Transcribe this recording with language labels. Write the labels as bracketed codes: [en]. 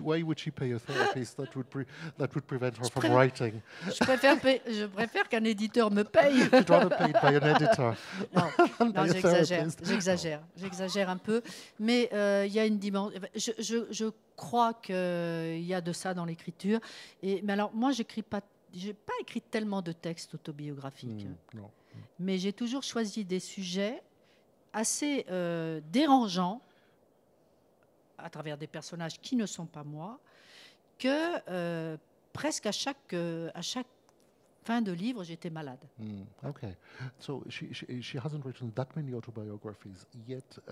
[en] Why would she pay a therapist that would prevent her from writing? [fr] Je préfère qu'un éditeur me paye. [en] You'd rather pay it by an editor. [fr] Non, j'exagère un peu, mais il y a une dimension. Je crois que il y a de ça dans l'écriture. Mais alors moi, j'ai pas écrit tellement de textes autobiographiques. Non. Mais j'ai toujours choisi des sujets assez dérangeants à travers des personnages qui ne sont pas moi, que presque à chaque fin de livre, j'étais malade. [en] Okay, so she hasn't written that many autobiographies yet.